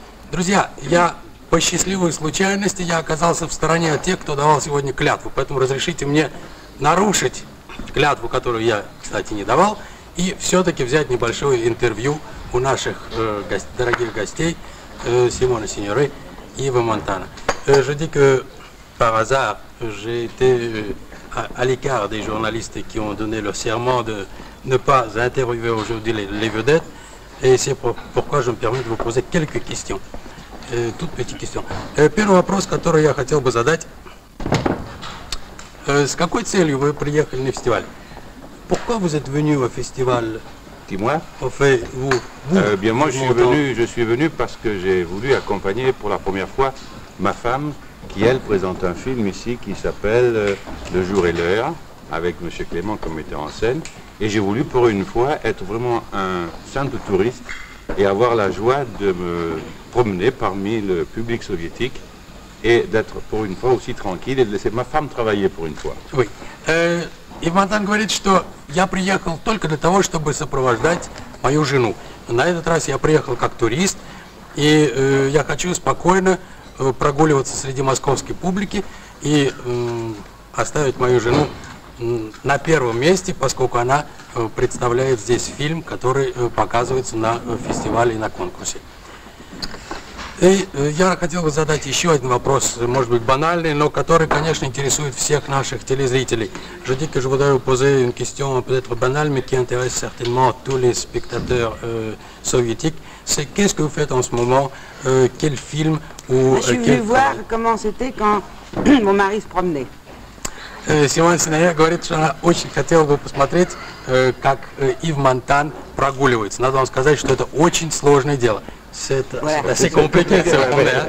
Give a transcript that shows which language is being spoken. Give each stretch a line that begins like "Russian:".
Russian: Друзья, я по счастливой случайности я оказался в стороне от тех, кто давал сегодня клятву. Поэтому разрешите мне нарушить клятву, которую я, кстати, не давал, и все-таки взять небольшое интервью у наших дорогих гостей Симона Синьоре и Ива Монтана.
French: Je dis que par hasard, j'ai été à l'écart des journalistes qui ont donné le serment de ne pas interviewer aujourd'hui les vedettes. Et c'est pourquoi je me permets de vous poser quelques questions. Toutes petites questions.
Russian: Первый вопрос, который я хотел бы задать. С какой целью вы приехали на фестиваль?
French: Pourquoi vous êtes venu au festival? Dis-moi. Au fait, vous. Je suis venu parce que j'ai voulu accompagner pour la première fois ma femme, qui elle présente un film ici qui s'appelle Le jour et l'heure, avec M. Clément comme metteur en scène. Et j'ai voulu pour une fois être vraiment un simple touriste et avoir la joie de me promener parmi le public soviétique et d'être pour une fois aussi tranquille et de laisser ma femme travailler pour une fois. Oui.
Russian: Ив Монтан говорит, что я приехал только для того, чтобы сопровождать мою жену. На этот раз я приехал как турист, и я хочу спокойно прогуливаться среди московской публики и оставить мою жену на первом месте, поскольку она представляет здесь фильм, который показывается на фестивале и на конкурсе. И я хотел бы задать еще один вопрос, может быть банальный, но который, конечно, интересует всех наших телезрителей.
French: Je dis que je voudrais vous poser une question peut-être banale, mais qui intéresse certainement tous les spectateurs soviétiques. C'est qu'est-ce que vous faites en ce moment? Quel film ou quel film? Je voulais voir comment c'était quand mon mari se promenait. Симона Синьоре говорит, что она очень хотела бы посмотреть, как Ив Монтан прогуливается.
Russian: Надо вам сказать, что это очень сложное дело.
French: C'est compliqué, c'est vrai.